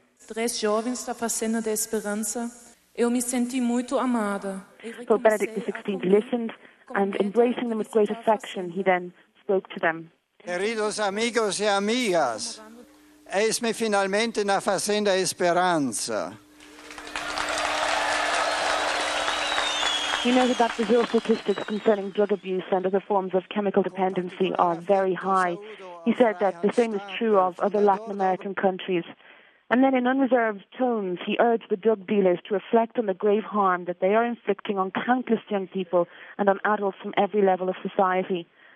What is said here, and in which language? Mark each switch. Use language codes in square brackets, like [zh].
[pt] Três jovens da fazenda de Esperança. Eu me senti muito amada. [en] Pope Benedict XVI listened, and embracing them with great affection, he then spoke to them. [pt] Queridos amigos e amigas, eis-me finalmente na fazenda Esperança. [en] He noted that Brazil's statistics concerning drug abuse and other forms of chemical dependency are very high. He said that the same is true of other Latin American countries. And then in unreserved tones, he urged the drug dealers to reflect on the grave harm that they are inflicting on countless young people and on adults from every level of society.